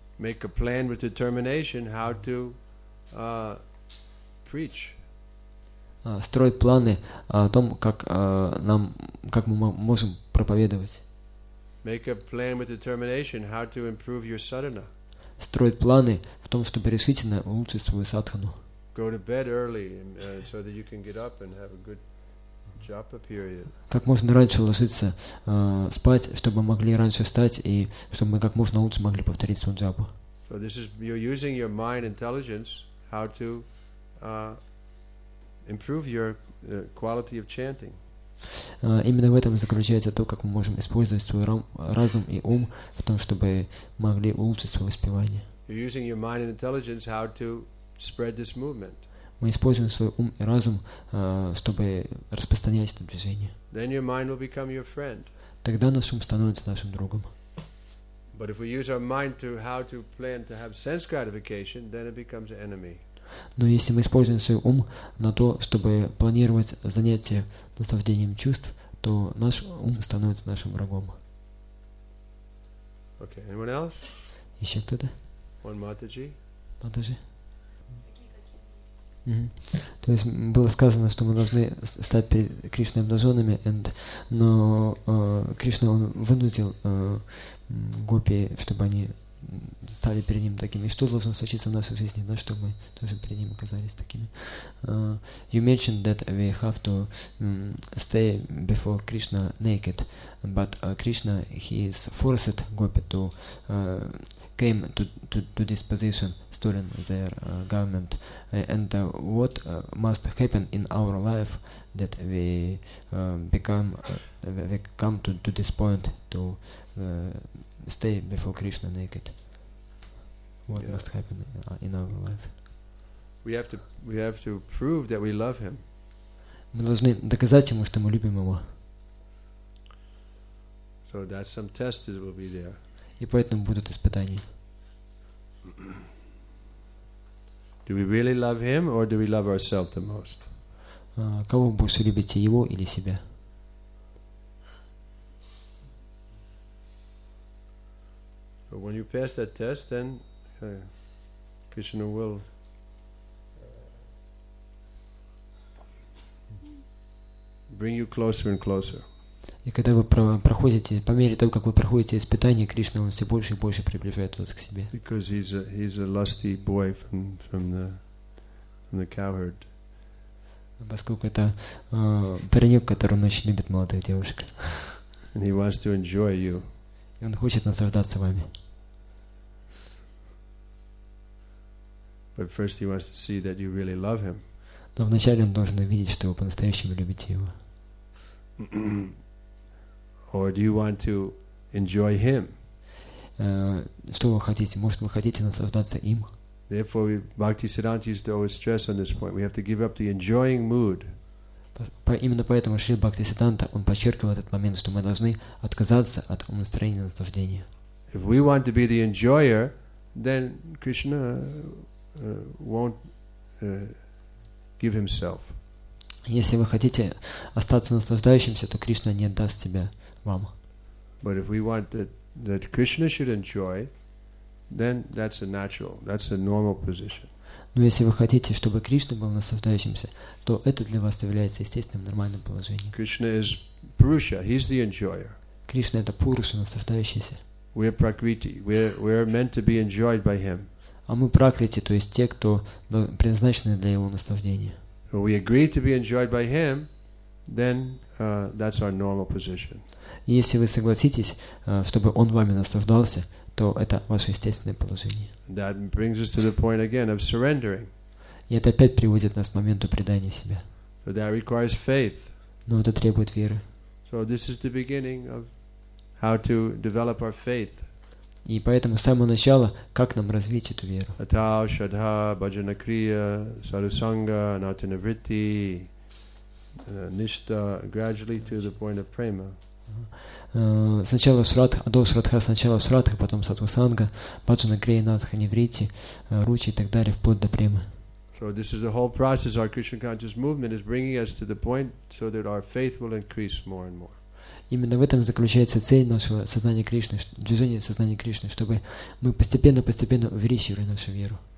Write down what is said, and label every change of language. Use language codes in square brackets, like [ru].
[en] Make a plan with determination how to preach. [ru] Строить планы о том, как нам, как мы можем проповедовать. [en] Make a plan with determination how to improve your sadhana. [ru] Строить планы в том, чтобы решительно улучшить свою садхану. [en] Go to bed early so that you can get up and have a good japa period. [ru] Как можно раньше ложиться спать, чтобы могли раньше встать и чтобы мы как можно лучше могли повторить свою джапу. [en] So this is you're using your mind intelligence how to improve your quality of chanting. [ru] Именно в этом и заключается то, как мы можем использовать свой разум и ум в том, чтобы могли улучшить свое воспевание. [en] You're using your mind and intelligence how to spread this movement. [ru] Мы используем свой ум и разум, чтобы распространять это движение. [en] Then your mind will become your friend. [ru] Тогда наш ум становится нашим другом. [en] But if we use our mind to how to plan to have sense gratification, then it becomes an enemy. [ru] Но если мы используем свой ум на то, чтобы планировать занятия наслаждением чувств, то наш ум становится нашим врагом. [en] Okay, anyone else? [ru] Еще кто-то? [en] One Mataji. [ru] Mataji. То есть было сказано, что мы должны стать перед Кришной обнаженными, но Кришна он вынудил гопи, чтобы они стали перед ним такими. Что должно случиться в нашей жизни, да, чтобы мы тоже перед ним оказались такими? [en] You mentioned that we have to stay before Krishna naked, but Krishna he is forced gopi to came to this position, stolen their garment. And what must happen in our life that we become to this point to stay before Krishna naked? What must happen in our life? We have to prove that we love him. [ru] Мы должны доказать ему, что мы любим его. [en] So that's some test that will be there. [ru] И поэтому будут испытания. [en] Do we really love him or do we love ourselves the most? [ru] Кого больше любите, его или себя? [en] So when you pass that test, then Krishna will bring you closer and closer. [ru] И когда вы проходите, по мере того, как вы проходите испытания, Кришна, Он все больше и больше приближает вас к себе. [en] Because he's a lusty boy from the cowherd. [ru] Поскольку это паренек, который очень любит молодых девушек. [en] And he wants to enjoy you. [ru] И он хочет наслаждаться вами. [en] But first he wants to see that you really love him. [ru] Но вначале он должен увидеть, что вы по-настоящему любите его. [en] Or do you want to enjoy him? [ru] Что вы хотите? Может, вы хотите наслаждаться им? [en] Therefore, Bhakti Siddhanta used to always stress on this point. We have to give up the enjoying mood. [ru] Именно поэтому Шри Бхакти Сиддханта, он подчеркивал этот момент, что мы должны отказаться от умонастроения наслаждения. [en] If we want to be the enjoyer, then Krishna won't give himself. [ru] Если вы хотите остаться наслаждающимся, то Кришна не отдаст себя вам. [en] But if we want that Krishna should enjoy, then that's a natural, that's a normal position. [ru] Но если вы хотите, чтобы Кришна был наслаждающимся, то это для вас является естественным, нормальным положением. [en] Krishna is Purusha, he's the enjoyer. [ru] Кришна это Пуруша, наслаждающийся. [en] We're Prakriti, we're meant to be enjoyed by him. [ru] А мы Пракрити, то есть те, кто предназначены для его наслаждения. [en] If we agree to be enjoyed by him, then that's our normal position. [ru] Если вы согласитесь, чтобы он вами наслаждался, то это ваше естественное положение. [en] That brings us to the point again of surrendering. [ru] И это опять приводит нас к моменту предания себя. [en] But that requires faith. [ru] Но это требует веры. [en] So this is the beginning of how to develop our faith. [ru] И поэтому с самого начала, как нам развить эту веру? [sa] Атау, шадха, баджана крия, сарусанга, натинавритти, ништа, [en] gradually to the point of prema. [ru] Сначала срадха, до срадха, сначала срадха, потом сатусанга, баджана крия, натинавритти, ручи и так далее, вплоть до премы. [en] So this is the whole process. Our Krishna conscious movement is bringing us to the point so that our faith will increase more and more. [ru] Именно в этом заключается цель нашего сознания Кришны, движения сознания Кришны, чтобы мы постепенно-постепенно увеличивали нашу веру.